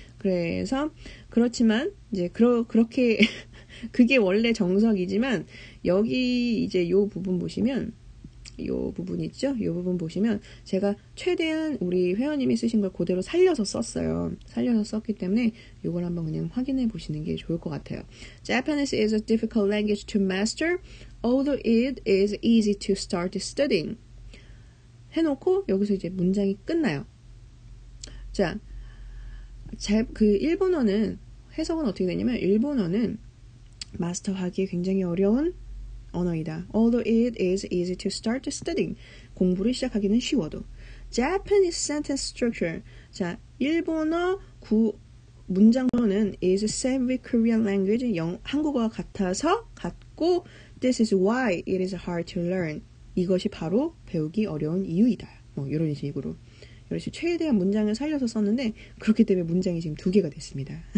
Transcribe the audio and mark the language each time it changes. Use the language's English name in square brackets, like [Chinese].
[Korean] 그래서 그렇지만 이제 그렇게 그게 원래 정석이지만 여기 이제 요 부분 보시면 요 부분 있죠? 요 부분 보시면 제가 최대한 우리 회원님이 쓰신 걸 그대로 살려서 썼어요. 살려서 썼기 때문에 요걸 한번 그냥 확인해 보시는 게 좋을 것 같아요. [English] Japanese is a difficult language to master, although it is easy to start studying. [Korean] 해놓고 여기서 이제 문장이 끝나요. 자, 일본어는 해석은 어떻게 되냐면 일본어는 마스터하기 굉장히 어려운 언어이다. [English] Although it is easy to start studying. [Korean] 공부를 시작하기는 쉬워도. [English] Japanese sentence structure. 자, [Korean] 일본어 구 문장문은 [English] is same with Korean language [Korean] 영, 한국어와 같아서 같고 [English] this is why it is hard to learn [Korean] 이것이 바로 배우기 어려운 이유이다 뭐 이런 식으로 역시 최대한 문장을 살려서 썼는데 그렇기 때문에 문장이 지금 두 개가 됐습니다.